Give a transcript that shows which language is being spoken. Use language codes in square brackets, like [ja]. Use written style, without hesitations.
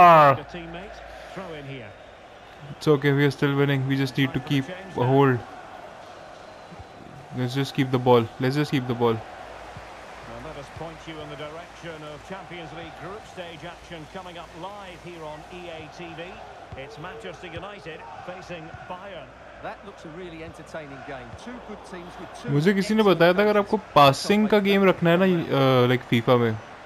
[en] It's okay, we are still winning. We just need to keep a hold. Let's just keep the ball. Point you in the direction of Champions League group stage action coming up live here on EA TV. It's Manchester United facing Bayern. That looks a really entertaining game. Two good teams with two. [hi] मुझे किसी ने बताया था अगर आपको passing का game रखना है ना लाइक फीफा में